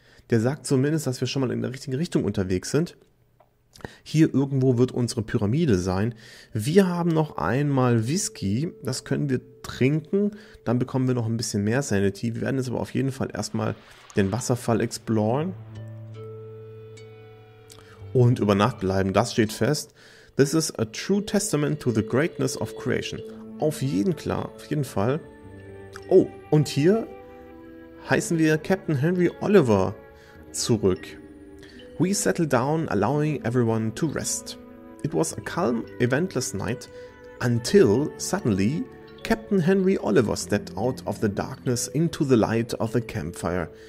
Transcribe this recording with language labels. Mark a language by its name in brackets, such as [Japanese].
[German] Der sagt zumindest, dass wir schon mal in der richtigen Richtung unterwegs sind. Hier irgendwo wird unsere Pyramide sein. Wir haben noch einmal Whisky. Das können wir trinken. Dann bekommen wir noch ein bisschen mehr Sanity. Wir werden jetzt aber auf jeden Fall erstmal den Wasserfall exploren. Und über Nacht bleiben, das steht fest. [English] This is a true testament to the greatness of creation. [German] Auf jeden Fall. Oh, und hier heißen wir Captain Henry Oliver zurück. [English] We settled down, allowing everyone to rest. It was a calm, eventless night, until suddenly Captain Henry Oliver stepped out of the darkness into the light of the campfire.